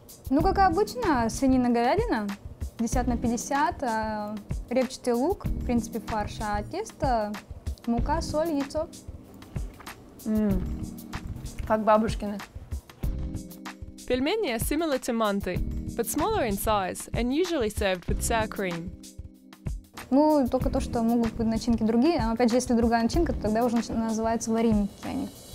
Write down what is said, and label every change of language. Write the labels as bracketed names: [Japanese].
[Russian] Ну, как обычно, свинина-говядина, 50/50, репчатый лук, в принципе, фарш, а тесто, мука, соль, яйцо. Как бабушкины. [English] Пельмени are similar to манти, but smaller in size and usually served with sour cream. [Russian] Ну, только то, что могут быть начинки другие. А опять же, если другая начинка, то тогда уже называются вареники они.